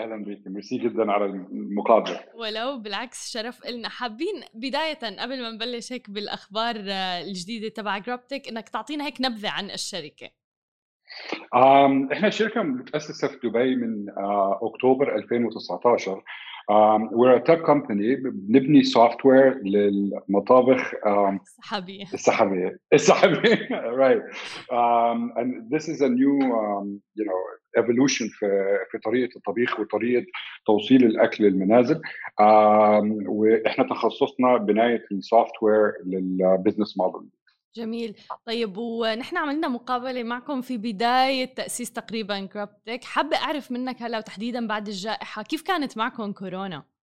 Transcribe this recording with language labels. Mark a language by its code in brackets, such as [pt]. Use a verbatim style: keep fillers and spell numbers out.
[ar] أهلا بيكي، ميرسي جداً على المقابلة. ولو بالعكس شرف إلنا. حابين بداية قبل ما نبلش هيك بالأخبار الجديدة تبع جروبتك إنك تعطينا هيك نبذة عن الشركة. أم إحنا شركة متأسسة في دبي من أه أكتوبر ألفين وتسعة عشر. [en] um we're a tech company، بنبني software للمطابخ [ar] السحابية. السحابية السحابية right. [en] Um, and this is a new um, you know evolution [ar] في في طريقة الطبيخ وطريقة توصيل الأكل للمنازل. Um, وإحنا تخصصنا بناية software للbusiness model. جميل. طيب، ونحن عملنا مقابلة معكم في بداية تأسيس تقريباً جروبتك. حابة أعرف منك هلا وتحديداً بعد الجائحة كيف كانت معكم كورونا؟